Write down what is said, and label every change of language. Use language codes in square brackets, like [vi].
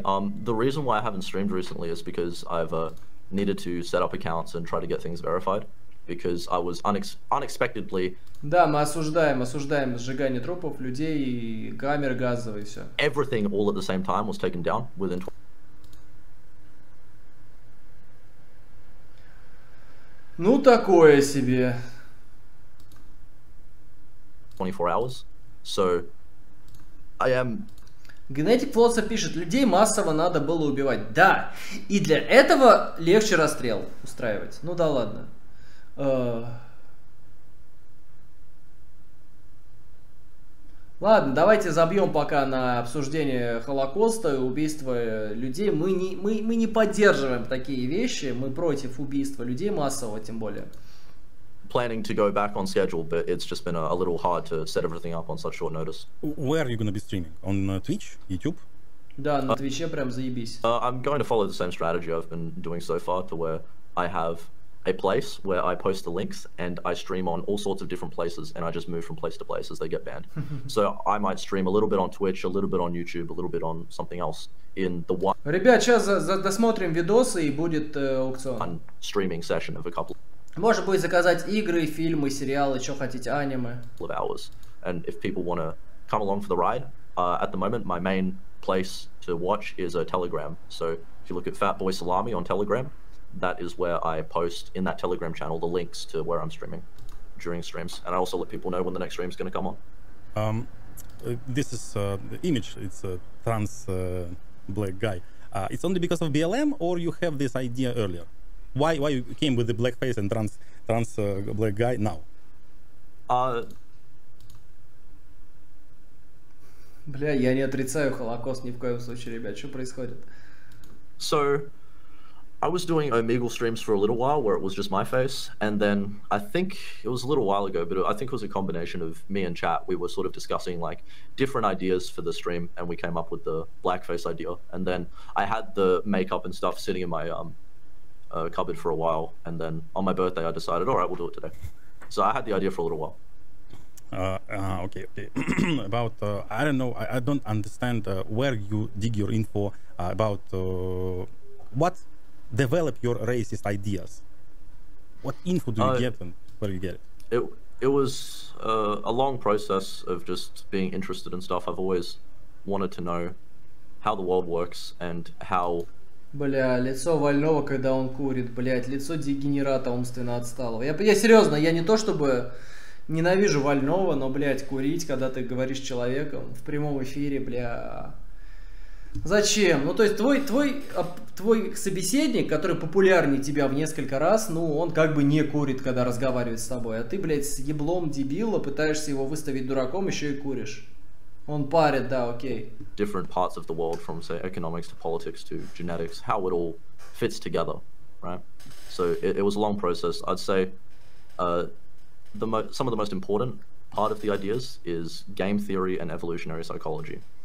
[en] The reason why I haven't streamed recently is because I've needed to set up accounts and try to get things verified. Because I was unexpectedly... [ru] Да, мы осуждаем сжигание трупов, людей, и камеры газовые, все. [en] Everything all at the same time was taken down within... [ru] Ну, такое себе... [en] 24 hours, so I am... [ru] Генетик Флотса пишет, людей массово надо было убивать. Да, и для этого легче расстрел устраивать. Ну да ладно. Ладно, давайте забьем пока на обсуждение Холокоста и убийства людей. Мы не поддерживаем такие вещи, мы против убийства людей массово, тем более. [en] Planning to go back on schedule, but it's just been a little hard to set everything up on such short notice. Where are you going to be streaming? On Twitch? YouTube? [ru] Да, на Твиче прям заебись. [en] I'm going to follow the same strategy I've been doing so far, to where I have a place where I post the links and I stream on all sorts of different places and I just move from place to place as they get banned. So I might stream a little bit on Twitch, a little bit on YouTube, a little bit on something else in the one... [ru] Ребят, сейчас досмотрим видосы и будет аукцион. [en] Streaming session of a couple... [ru] Можно будет заказать игры, фильмы, сериалы, что хотите, аниме. [en] And if people want to come along for the ride, at the moment my main place to watch is a Telegram. So if you look at Fatboy Salami on Telegram, that is where I post in that Telegram channel the links to where I'm streaming during streams, and I also let people know when the next stream is going to come on. This is the image. It's a trans black guy. It's only because of BLM, or you have this idea earlier? Why you came with the black face and trans black guy now? [ru] Бля, я не отрицаю Холокост ни в коем случае, ребят. Что происходит? [en] So, I was doing Omegle streams for a little while where it was just my face, and then I think it was a little while ago, but I think it was a combination of me and chat. We were sort of discussing like different ideas for the stream, and we came up with the blackface idea. And then I had the makeup and stuff sitting in my cupboard for a while, and then on my birthday I decided, all right, we'll do it today. So I had the idea for a little while. Okay. About I don't know, I don't understand where you dig your info about what develop your racist ideas. What info do you get and where you get it? It It was a long process of just being interested in stuff. I've always wanted to know how the world works and how... [ru] Бля, лицо Вального, когда он курит, блядь, лицо дегенерата умственно отсталого. Я серьезно, я не то чтобы ненавижу Вального, но, блядь, курить, когда ты говоришь с человеком в прямом эфире, бля... Зачем? Ну, то есть твой собеседник, который популярнее тебя в несколько раз, ну, он как бы не курит, когда разговаривает с тобой, а ты, блядь, с еблом дебила пытаешься его выставить дураком, еще и куришь. Он парит, да, окей. [en] Different parts of the world, from, say, economics to politics to genetics, how it all fits together, right? So it was a long process. I'd say some of the most important part of the ideas is game theory and evolutionary psychology.